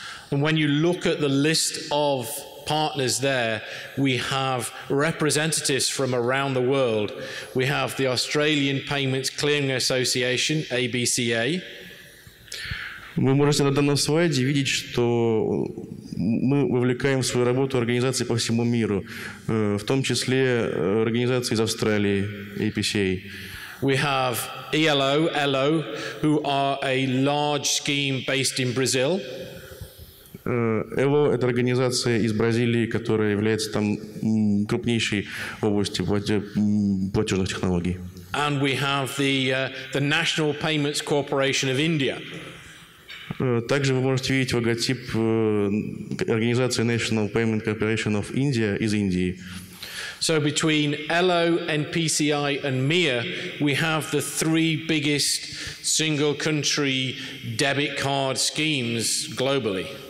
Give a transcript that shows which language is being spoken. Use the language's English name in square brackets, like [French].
[English] And when you look at the list of partners there, we have representatives from around the world. We have the Australian Payments Clearing Association, ABCA. [Russian] Вы можете на данном слайде видеть, что мы вовлекаем в свою работу организации по всему миру, в том числе организации из Австралии, ABCA. [English] We have ELO, who are a large scheme based in Brazil. [Russian] ELO – это организация из Бразилии, которая является там крупнейшей в области платежных технологий. [English] And we have the National Payments Corporation of India. [Russian] Также вы можете видеть логотип организации National Payment Corporation of India из Индии. [English] So between ELO, NPCI and MIA, we have the three biggest single country debit card schemes globally.